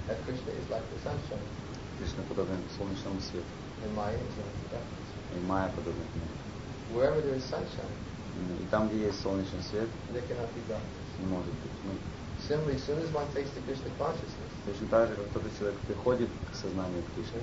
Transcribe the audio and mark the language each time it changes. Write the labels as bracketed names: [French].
[Russian] Кришна подобен солнечному свету. И майя подобна к нему. [English] Wherever there is sunshine. [Russian] И там, где есть солнечный свет, [English] there cannot be darkness. [Russian] Не может быть. [English] Similarly, as soon as one takes the Krishna consciousness. [Russian] Точно так же, как кто-то человек приходит к сознанию Кришны.